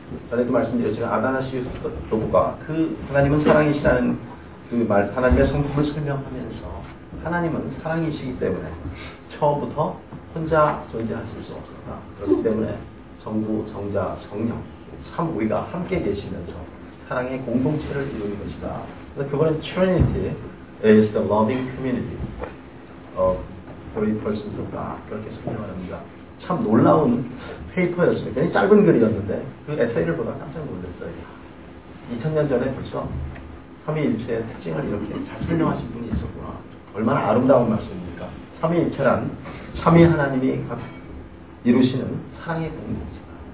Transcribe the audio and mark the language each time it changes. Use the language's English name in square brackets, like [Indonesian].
[Korean] 전에도 말씀드렸지만 아다나시우스 도부가 그 하나님은 사랑이시라는 그 말, 하나님의 성품을 설명하면서 하나님은 사랑이시기 때문에 처음부터 혼자 존재하실 수 없었다. 그렇기 때문에 성부, 성자, 성령 참 우리가 함께 계시면서 사랑의 공동체를 이루는 것이다. 그래서 그거는 [English] Trinity is the loving community of three persons of God. [Korean] 그렇게 설명을 합니다. 참 놀라운 페이퍼였습니다. 굉장히 짧은 글이었는데 그 에세이를 보다 깜짝 놀랐어요. 2000년 전에 벌써 삼위일체의 특징을 이렇게 잘 설명하신 분이 있었구나. 얼마나 아름다운 말씀입니까? 삼위일체란 삼위 하나님이 이루시는 사랑의 공동체다.